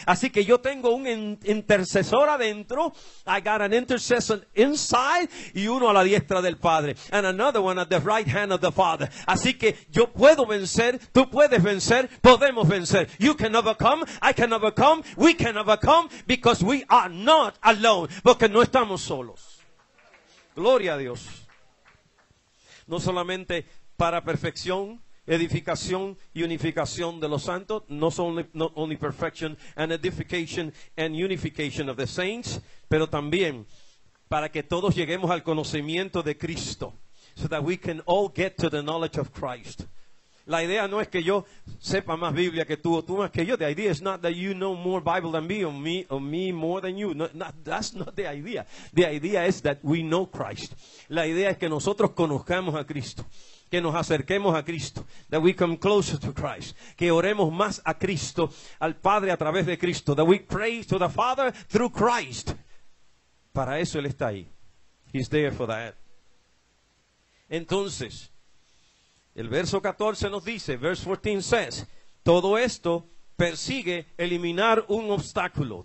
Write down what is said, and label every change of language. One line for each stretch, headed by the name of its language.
Spanish: Así que yo tengo un intercesor adentro.
English: I got an intercessor inside,
Spanish: y uno a la diestra del Padre.
English: And another one at the right hand of the Father.
Spanish: Así que yo puedo vencer. Tú puedes vencer, podemos vencer.
English: You can overcome, I can overcome, we can overcome, because we are not alone.
Spanish: Porque no estamos solos. Gloria a Dios. No solamente para perfección, edificación y unificación de los santos.
English: Not only perfection and edification and unification of the saints.
Spanish: Pero también para que todos lleguemos al conocimiento de Cristo.
English: So that we can all get to the knowledge of Christ.
Spanish: La idea no es que yo sepa más Biblia que tú o tú más que yo.
English: The idea is not that you know more Bible than me or me more than you. That's not the idea. The idea is that we know Christ.
Spanish: La idea es que nosotros conozcamos a Cristo. Que nos acerquemos a Cristo.
English: That we come closer to Christ.
Spanish: Que oremos más a Cristo, al Padre a través de Cristo.
English: That we pray to the Father through Christ.
Spanish: Para eso Él está ahí.
English: He's there for that.
Spanish: Entonces, el verso 14 nos dice,
English: verse 14 says,
Spanish: todo esto persigue eliminar un obstáculo.